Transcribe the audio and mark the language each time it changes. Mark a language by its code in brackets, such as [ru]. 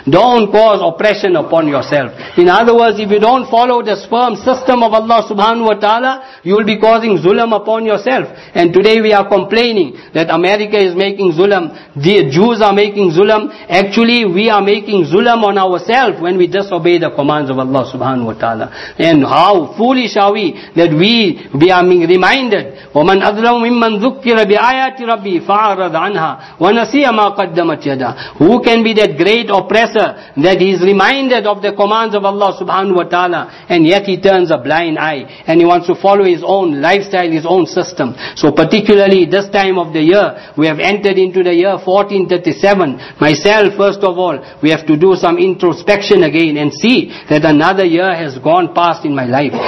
[en] Don't cause oppression upon yourself. In other words, if you don't follow this firm system of Allah subhanahu wa ta'ala, you will be causing zulm upon yourself. And today we are complaining that America is making zulm, the Jews are making zulm. Actually, we are making zulm on ourselves when we disobey the commands of Allah subhanahu wa ta'ala. And how foolish are we that we are being reminded, [ar] وَمَنْ أَذْلَمُ مِمَّنْ ذُكِّرَ بِآيَاتِ رَبِّهِ فَأَعْرَضَ عَنْهَا وَنَسِيَ مَا قَدَّمَتْ يَدَهُ. [en] Who can be that great oppressor that he is reminded of the commands of Allah subhanahu wa ta'ala, and yet he turns a blind eye and he wants to follow his own lifestyle, his own system. So particularly this time of the year, we have entered into the year 1437. Myself, first of all, we have to do some introspection again and see that another year has gone past in my life.